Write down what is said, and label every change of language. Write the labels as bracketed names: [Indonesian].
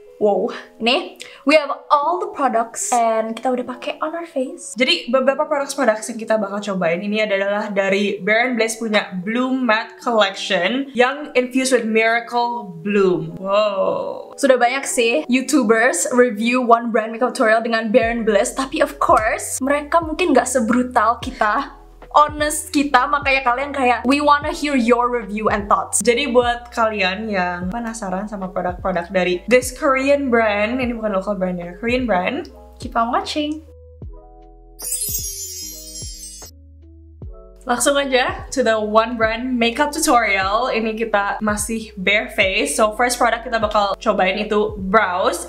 [English] Wow, nih, we have all the products and [Indonesian] kita udah pakai [English] on our face. [Indonesian] Jadi beberapa produk-produk yang kita bakal cobain ini adalah dari Beren Bliss punya Bloom Matte Collection yang infused with Miracle Bloom. Wow. Sudah banyak sih YouTubers review one brand makeup tutorial dengan Beren Bliss, tapi of course mereka mungkin nggak sebrutal kita. [English] Honest [Indonesian] kita, makanya kalian kayak [English] we wanna hear your review and thoughts. [Indonesian] Jadi buat kalian yang penasaran sama produk-produk dari [English] this Korean brand, [Indonesian] ini bukan local brand ya, Korean brand, [English] keep on watching. [Indonesian] Langsung aja [English] to the one brand makeup tutorial. [Indonesian] Ini kita masih bare face. [English] So first product [Indonesian] kita bakal cobain itu brows.